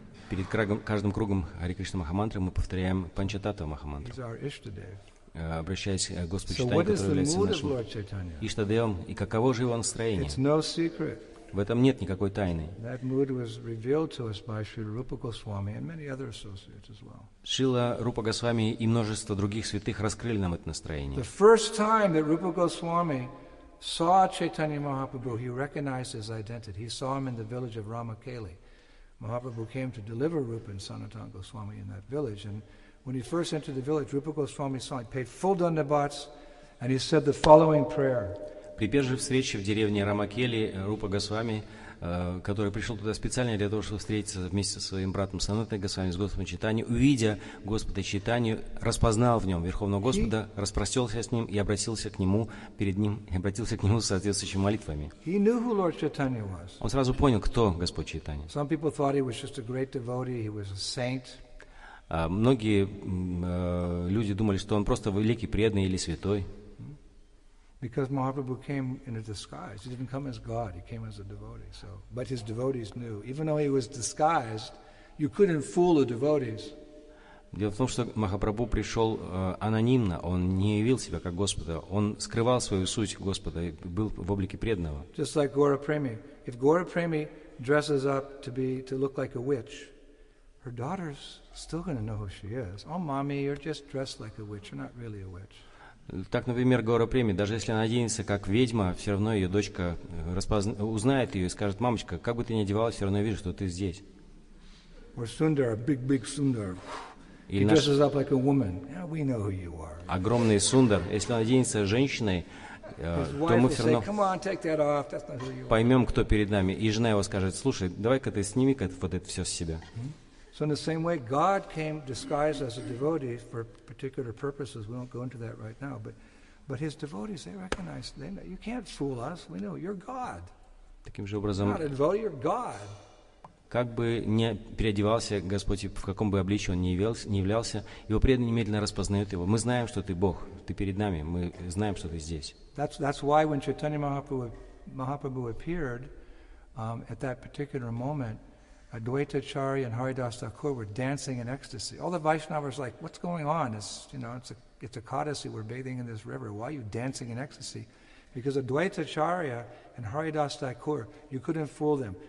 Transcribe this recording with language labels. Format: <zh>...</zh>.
<ru>Перед каждым кругом Хари Кришна Махамантры мы повторяем Панчататва Махамантру, обращаясь к Господу Чайтанье, который является нашим Иштадевом. И каково же его настроение? В этом нет никакой тайны.</ru> <en>That mood was revealed to us by Srila Rupa Goswami and many other associates as well.</en> <ru>Шрила Рупа Госвами и множество других святых раскрыли нам это настроение.</ru> <en>The first time that Rupa Goswami saw Chaitanya Mahaprabhu, he recognized his identity. He saw him in the village of Ramakeli. Mahaprabhu came to deliver Rupa and Sanatana Goswami in that village. And when he first entered the village, Rupa Goswami saw him, paid full dandavats, and he said the following prayer.</en> <ru>При первой встрече в деревне Рамакели Рупа Госвами, который пришел туда специально для того, чтобы встретиться вместе со своим братом Санатой Госвами, с Господом Чайтаньей, увидя Господа Чайтанью, распознал в нем Верховного Господа, распростелся с ним и обратился к нему перед ним, и обратился к нему с соответствующими молитвами. Он сразу понял, кто Господь Чайтанья. Многие люди думали, что он просто великий, преданный или святой.</ru> <en>Because Mahaprabhu came in a disguise. He didn't come as God, he came as a devotee. So, but his devotees knew. Even though he was disguised, you couldn't fool the devotees.</en> <ru>Дело в том, что Махапрабху пришел анонимно, он не явил себя как Господа, он скрывал свою суть Господа и был в облике преданного.</ru> <en>Just like Gaura Premi. If Gaura Premi dresses up to look like a witch, her daughter's still going to know who she is. Oh, mommy, you're just dressed like a witch. You're not really a witch.</en> <ru>Так, например, Гаура Преми, даже если она оденется как ведьма, все равно ее дочка узнает ее и скажет: «Мамочка, как бы ты ни одевалась, все равно я вижу, что ты здесь».</ru> <en>Sundar, big Sundar. He dresses up like a woman. Yeah, we know who you are.</en> <ru>Огромный Сундар, если он оденется женщиной, то мы все равно поймем, кто перед нами. И жена его скажет: «Слушай, давай-ка ты сними-ка вот это все с себя».</ru> <en>So in the same way, God came disguised as a devotee for particular purposes. We won't go into that right now. But his devotees, they recognize, they know, you can't fool us. We know, you're God.</en> <ru>Таким же образом,</ru> <en>you're not a devotee, you're God.</en> <ru>Как бы ни переодевался Господь, в каком бы обличии он ни являлся, его преданные немедленно распознают его. Мы знаем, что ты Бог, ты перед нами, мы знаем, что ты здесь.</ru> <en>That's why when Chaitanya Mahaprabhu appeared at that particular moment, Advaita Acharya and Haridas Thakur were dancing in ecstasy. All the Vaishnavas were like, what's going on? It's a codicil, we're bathing in this river. Why are you dancing in ecstasy? Because Advaita Acharya and Haridas Thakur, you couldn't fool them.</en>